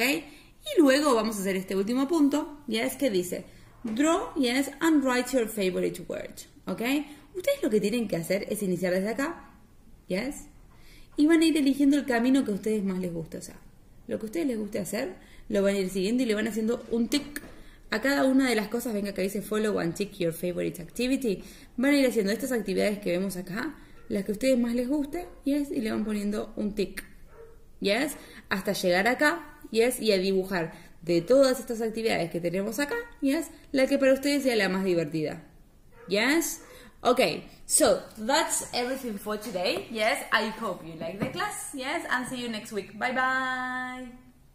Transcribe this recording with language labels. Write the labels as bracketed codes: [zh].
[es] Y luego vamos a hacer este último punto, ¿yes? Que dice draw, ¿yes? [en] And write your favorite word, [es] ¿ok? Ustedes lo que tienen que hacer es iniciar desde acá, ¿yes? Y van a ir eligiendo el camino que a ustedes más les guste, o sea, lo que a ustedes les guste hacer, lo van a ir siguiendo y le van haciendo un tick a cada una de las cosas. Venga, acá dice [en] follow and tick your favorite activity. [es] Van a ir haciendo estas actividades que vemos acá, las que a ustedes más les guste, ¿yes? Y le van poniendo un tick, ¿yes? Hasta llegar acá, ¿yes? Y a dibujar de todas estas actividades que tenemos acá, ¿yes? La que para ustedes sea la más divertida, ¿yes? Ok, [en] so that's everything for today. Yes, I hope you like the class. Yes, and see you next week. Bye bye.